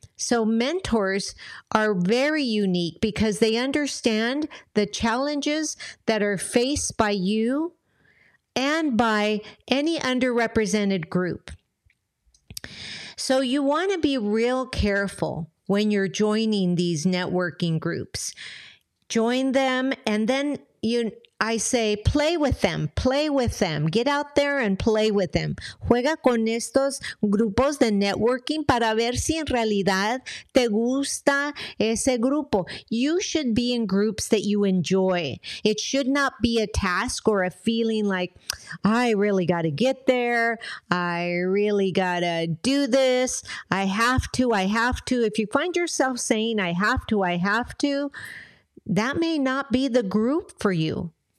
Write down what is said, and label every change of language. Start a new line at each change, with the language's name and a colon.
English: So mentors are very unique because they understand the challenges that are faced by you and by any underrepresented group. So you want to be real careful when you're joining these networking groups. Join them and then I say, play with them, play with them. Get out there and play with them.
Spanish: Juega con estos grupos de networking para ver si en realidad te gusta ese grupo.
English: You should be in groups that you enjoy. It should not be a task or a feeling like, I really got to get there. I really got to do this. I have to, I have to. If you find yourself saying, I have to, I have to, that may not be the group for you.